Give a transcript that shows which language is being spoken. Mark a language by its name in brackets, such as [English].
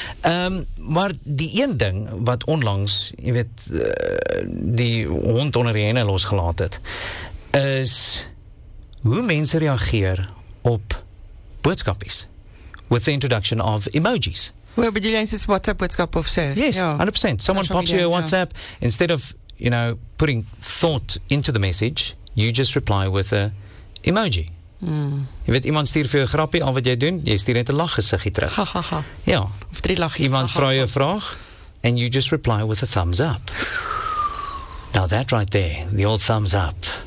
[Afrikaans] Maar die een ding wat onlangs, jy weet, die hond onder die hene losgelaat het, is hoe mense reageer op boodskapies, [English] with the introduction of emojis. Well, but you know, it's WhatsApp, WhatsApp [Afrikaans] of so. [English] Yes, 100%. Someone pops you a WhatsApp, instead of, you know, putting thought into the message, you just reply with a emoji. [Afrikaans] Mm. Jy weet, iemand stuur vir jou grapje, al wat jy doen, jy stuur net een lachgesigje terug. Ha, ha, ha. Ja. Of drie lachjes. Iemand vraag jou een vraag, [English] and you just reply with a thumbs up. Now that right there, the old thumbs up.